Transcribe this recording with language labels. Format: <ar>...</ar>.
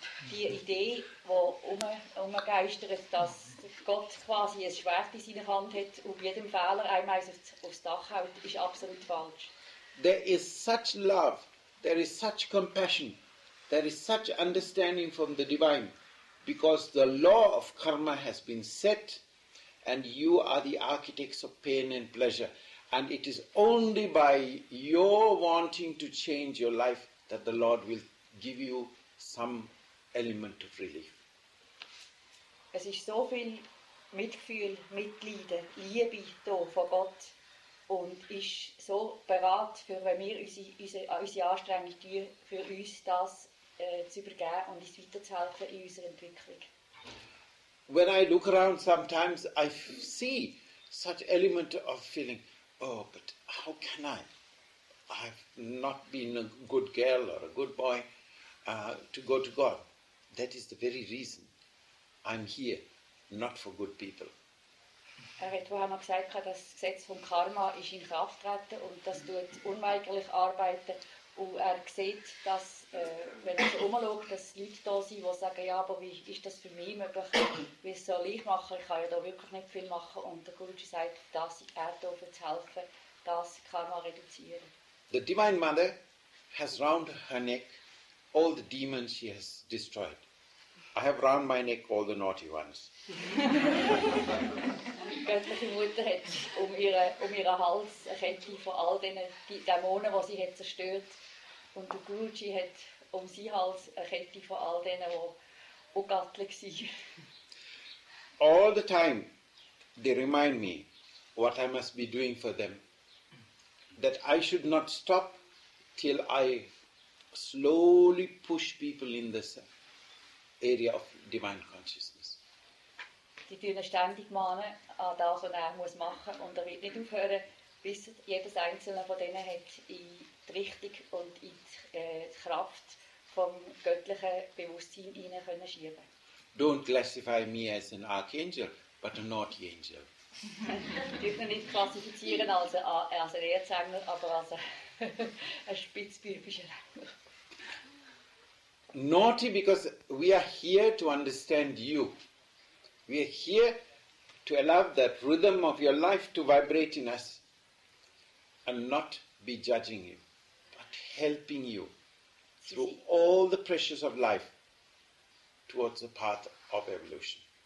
<de>Die Idee, wo umgeistert, dass Gott quasi ein Schwert in seiner Hand hat und jedem Fehler einmal aufs Dach haut, ist absolut falsch.</de> <en>There is such love, there is such compassion, there is such understanding from the divine, because the law of karma has been set and you are the architects of pain and pleasure. And it is only by your wanting to change your life that the Lord will give you some element of relief.</en> <de>Es ist so viel Mitgefühl, Mitleiden, Liebe hier von Gott und ist so bereit, für wenn wir unsere Anstrengung tun, für uns das zu übergeben und uns weiterzuhelfen in unserer Entwicklung.</de> <en>When I look around sometimes, I see such element of feeling, oh, but how can I? I've not been a good girl or a good boy to go to God. That is the very reason I'm here, not for good people.</en> <de>Er hat vorher mal gesagt, dass das Gesetz vom Karma ist in Kraft treten und das tut unweigerlich arbeiten. Und er sieht, dass, wenn er so umschaut, dass Leute da sind, die sagen, ja, aber wie ist das für mich möglich? Wie soll ich machen? Ich kann ja da wirklich nicht viel machen. Und der Guruji sagt, dass er da zu helfen, das Karma reduzieren.</de> <en>The Divine Mother has round her neck all the demons she has destroyed. I have round my neck all the naughty ones.</en> <de>Die göttliche Mutter hat um ihren Hals eine Kette von all den Dämonen, die sie hat zerstört. Und der Guruji hat um seinen Hals eine Kette von all denen, die ungattlich waren.</de> <en>All the time, they remind me what I must be doing for them. That I should not stop till I slowly push people in this area of divine consciousness.</en> <de>Die tun ständig mahnen an das, was er muss machen muss. Und er wird nicht aufhören, bis jedes einzelne von denen hat in die Richtung und in die Kraft vom göttlichen Bewusstsein hineinschieben können.</de> <en>Don't classify me as an archangel, but a naughty angel.</en> <de>Ich würde nicht klassifizieren als ein Erzengel, aber als ein spitzbübischer Engel.</de> <en>Naughty, because we are here to understand you. We are here to allow that rhythm of your life to vibrate in us and not be judging you, but helping you through all the pressures of life towards the path of evolution.</en>